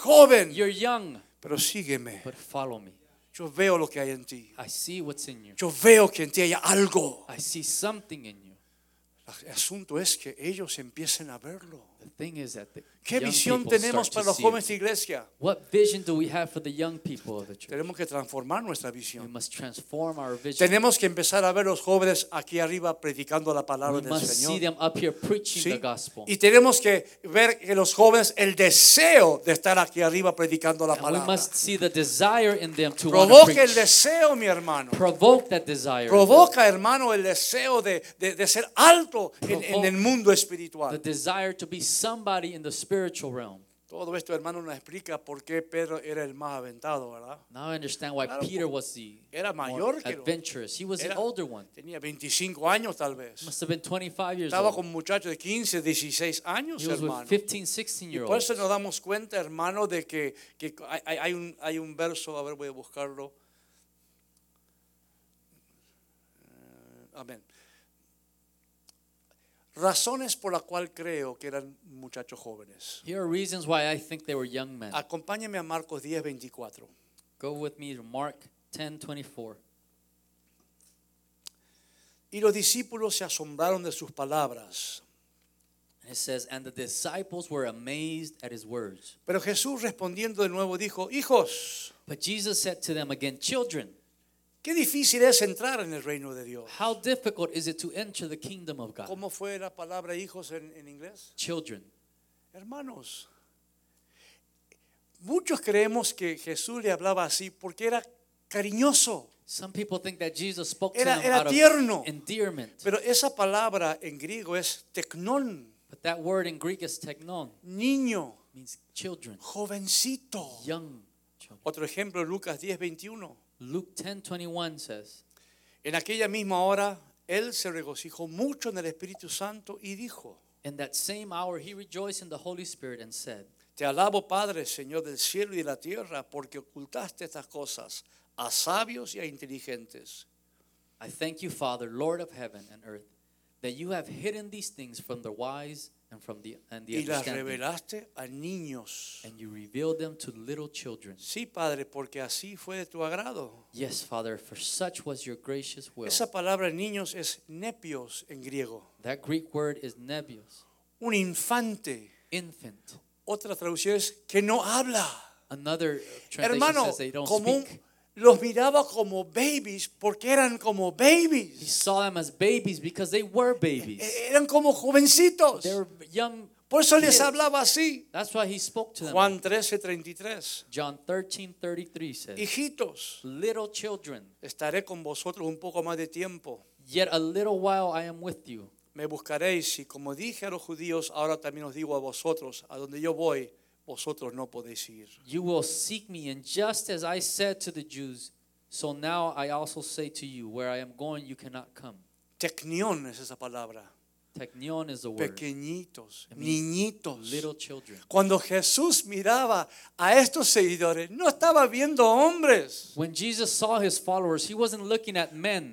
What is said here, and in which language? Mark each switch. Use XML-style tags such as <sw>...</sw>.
<es>Joven.</es> <en>You're young.</en> <es>Pero sígueme.</es> <en>But follow me.</en> <es>Yo veo lo que hay en ti.</es> <en>I see what's in you.</en> <es>Yo veo que en ti hay algo.</es> <en>I see something in you.</en> <es>El asunto es que ellos empiecen a verlo.</es> <en>The thing is that the</en> <es>¿Qué visión tenemos para los jóvenes de iglesia?</es> <en>What vision do we have for the young people of the church?</en> <es>Tenemos que transformar nuestra visión.</es> <en>We must transform our vision.</en> <es>Tenemos que empezar a ver los jóvenes aquí arriba predicando la palabra del Señor.</es> <en>We must see them up here preaching the gospel.</en> <es>Y tenemos que ver en los jóvenes el deseo de estar aquí arriba predicando la palabra.</es> <en>We must see the desire in them to</en> <es>Provoque el deseo, mi hermano.</es> <en>Provoke that desire.</en> <es>Provoca, hermano, el deseo de ser alto en el mundo espiritual.</es> <en>The desire to be somebody in the spiritual realm.</en> <es>Todo esto, hermano, nos explica por qué Pedro era el más aventado, ¿verdad?</es> <en>Now I understand why Peter was the</en> <es>era mayor</es> <en>more adventurous. He was</en> <es>era,</es> <en>the older one.</en> <es>Tenía 25 años, tal vez.</es> <en>Must have been 25 years</en> <es>Estaba</es> <en>old.</en> <es>Estaba con muchachos de 15, 16 años, hermano.</es> <en>He was with 15, 16 year olds.</en> <es>Y por eso nos damos cuenta, hermano, de que hay un verso, a ver, voy a buscarlo. Amén. Razones por la cual creo que eran muchachos jóvenes.</es> <en>Here are reasons why I think they were young men.</en> <es>Acompáñame a Marcos 10:24.</es> <en>Go with me to Mark 10:24.</en> <es>Y los discípulos se asombraron de sus palabras.</es> <en>It says, and the disciples were amazed at his words.</en> <es>Pero Jesús respondiendo de nuevo dijo, hijos.</es> <en>But Jesus said to them again, children.</en> <es>Qué difícil es entrar en el reino de Dios.</es> <en>How difficult is it to enter the kingdom of God?</en> <es>¿Cómo fue la palabra hijos en inglés?</es> <en>Children.</en> <es>Hermanos. Muchos creemos que Jesús le hablaba así porque era cariñoso.</es> <en>Some people think that Jesus spoke</en> <es>era,</es> <en>to them out</en> <es>tierno.</es> <en>Of endearment.</en> <es>Pero esa palabra en griego es teknon.</es> <en>But that word in Greek is teknon.</en> <es>Niño.</es> <en>Means children.</en> <es>Jovencito.</es> <en>Young children.</en> <es>Otro ejemplo, Lucas 10:21.</es> <en>Luke 10:21 says,</en> <es>en aquella misma hora él se regocijó mucho en el Espíritu Santo y dijo,</es> <en>in that same hour he rejoiced in the Holy Spirit and said,</en> <es>te alabo Padre, Señor del cielo y de la tierra, porque ocultaste estas cosas a sabios y a inteligentes.</es> <en>I thank you, Father, Lord of heaven and earth, that you have hidden these things from the wise and from the understanding.</en> <es>Y las revelaste a niños.</es> <en>And you revealed them to little children.</en> <es>Sí, Padre, porque así fue de tu agrado.</es> <en>Yes, Father, for such was your gracious will.</en> <es>Esa palabra niños es nepios en griego.</es> <en>That Greek word is nepios.</en> <es>Un infante.</es> <en>Infant.</en> <es>Otra traducción es que no habla.</es> <en>Another translation</en> <es>hermano,</es> <en>says they don't</en> <es>como</es> <en>speak.</en> <es>Los miraba como babies porque eran como babies.</es> <en>He saw them as babies because they were babies.</en> <es>Eran como jovencitos.</es> <en>They were young.</en> <es>Por eso</es> <en>kids.</en> <es>Les hablaba así.</es> <en>That's why he spoke to them.</en> <es>Juan 13:33.</es> <en>John 13:33 says,</en> <es>hijitos,</es> <en>little children,</en> <es>estaré con vosotros un poco más de tiempo.</es> <en>Yet a little while I am with you.</en> <es>Me buscaréis y como dije a los judíos, ahora también os digo a vosotros, a donde yo voy. Vosotros no podéis ir.</es> <en>You will seek me, and just as I said to the Jews, so now I also say to you, where I am going, you cannot come.</en> <es>Teknion es esa palabra.</es> <en>Teknion is the</en> <es>pequeñitos,</es> <en>word.</en> <es>Pequeñitos, niñitos.</es> <en>Little children.</en> <es>Cuando Jesús miraba a estos seguidores, no estaba viendo hombres.</es> <en>When Jesus saw his followers, he wasn't looking at men.</en>